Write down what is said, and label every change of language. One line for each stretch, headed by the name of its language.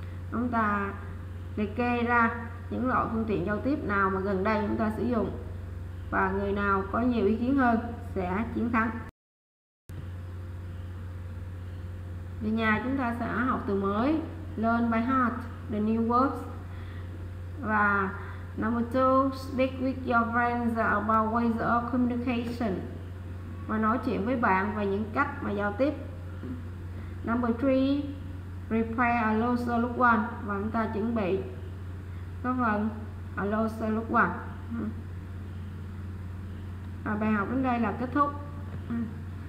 Vietnamese: Chúng ta liệt kê ra những loại phương tiện giao tiếp nào mà gần đây chúng ta sử dụng và người nào có nhiều ý kiến hơn sẽ chiến thắng. Về nhà chúng ta sẽ học từ mới,
English: learn by heart the new words. Và Number 2, speak with your friends about ways of communication.
Vietnamese: Mà nói chuyện với bạn về những cách mà giao tiếp.
English: Number 3, prepare a closer look one.
Vietnamese: Và chúng ta chuẩn bị có phần a closer look one. Và bài học đến đây là kết thúc.